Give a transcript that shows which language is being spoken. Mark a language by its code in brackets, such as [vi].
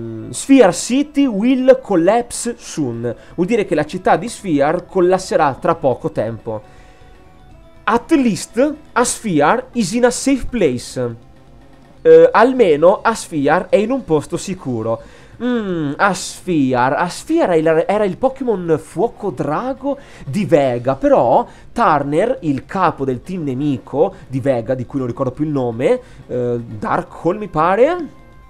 [en] Sphere City will collapse soon. [it] Vuol dire che la città di Sphere collasserà tra poco tempo. [en] At least a Sphere is in a safe place. [it] Almeno a Sphere è in un posto sicuro. A Sphere era il Pokémon fuoco drago di Vega. Però Turner, il capo del team nemico di Vega, di cui non ricordo più il nome, Dark Hole mi pare.